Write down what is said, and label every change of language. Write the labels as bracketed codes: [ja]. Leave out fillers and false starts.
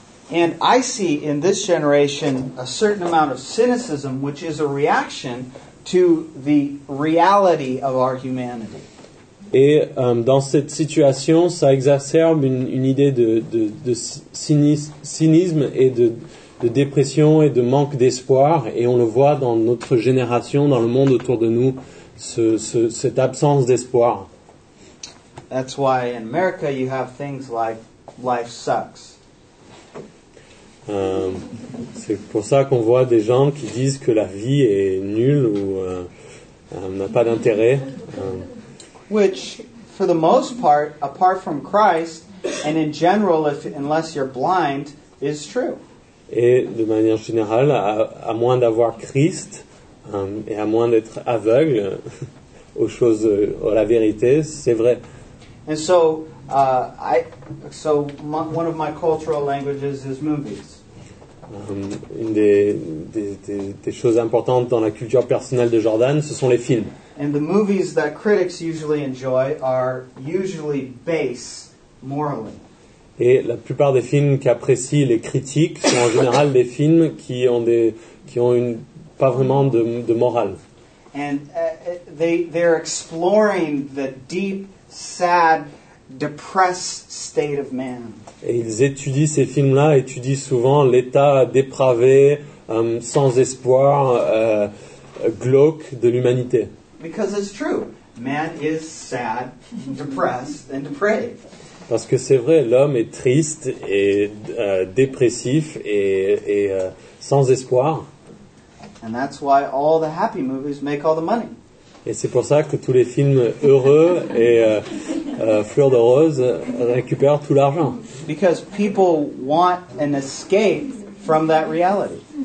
[en] And I see in this generation a certain amount of cynicism, which is a reaction to the reality of our humanity. [fr] Et dans cette situation, ça exacerbe une idée de cynisme et de dépression et de manque d'espoir. Et on le voit dans notre génération, dans le monde autour de nous, cette absence d'espoir. [en] That's why in America you have things like life sucks. [fr] C'est pour ça qu'on voit des gens qui disent que la vie est nulle ou n'a pas d'intérêt. [en] Which, for the most part, apart from Christ, and in general, unless you're blind, is true. [fr] Et de manière générale, à moins d'avoir Christ et à moins d'être aveugle aux choses, à la vérité, c'est vrai. [en] And so, one of my cultural languages is movies. [fr] Une des choses importantes dans la culture personnelle de Jordan, ce sont les films. [en] And the movies that critics usually enjoy are usually base morally. [fr] Et la plupart des films qu'apprécient les critiques sont en général des films qui ont pas vraiment de morale. [en] And they're exploring the deep, sad, depressed state of man. [fr] Et ils étudient ces films-là, étudient souvent l'état dépravé, sans espoir, glauque de l'humanité. [en] Because it's true, man is sad, depressed, and depraved. [fr] Parce que c'est vrai, l'homme est triste et dépressif et sans espoir. [en] And that's why all the happy movies make all the money. [fr] Et c'est pour ça que tous les films heureux et fleurs de rose récupèrent tout l'argent. [en] Because people want an escape from that reality.